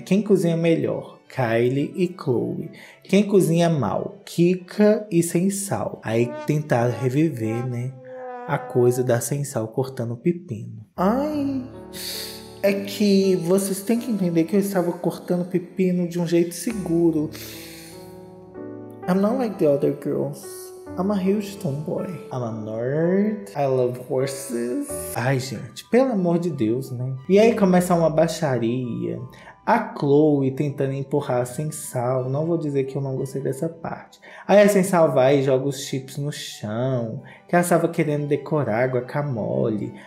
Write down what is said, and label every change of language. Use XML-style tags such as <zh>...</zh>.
<pt>Quem cozinha melhor? Kylie e Chloe. Quem cozinha mal? Kika e Sensal. Aí tentar reviver, né? A coisa da Sensal cortando pepino. Ai, é que vocês têm que entender que eu estava cortando pepino de um jeito seguro.</pt> <en>I'm not like the other girls. I'm a huge tomboy. I'm a nerd. I love horses.</en> <pt>Ai, gente, pelo amor de Deus, né? E aí começa uma baixaria. A Chloe tentando empurrar a Sensal. Não vou dizer que eu não gostei dessa parte. Aí a Sensal vai e joga os chips no chão. Que ela estava querendo decorar a guacamole.</pt>